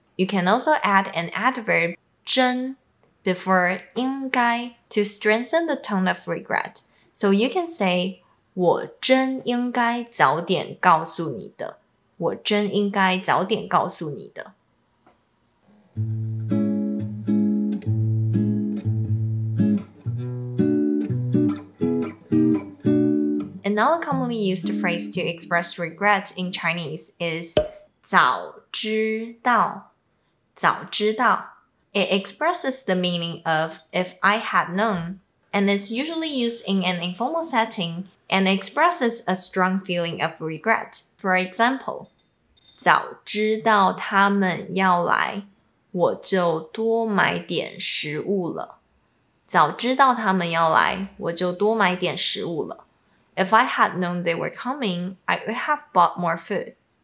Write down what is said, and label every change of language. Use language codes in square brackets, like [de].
[en] You can also add an adverb 真 before 应该 to strengthen the tone of regret. So you can say [zh] 我真应该早点告诉你的。我真应该早点告诉你的。 [en] Another commonly used phrase to express regret in Chinese is 早知道,早知道. It expresses the meaning of if I had known, and is usually used in an informal setting and expresses a strong feeling of regret. For example, [zh] 早知道他们要来，我就多买点食物了。早知道他们要来，我就多买点食物了。 [en] If I had known they were coming, I would have bought more food.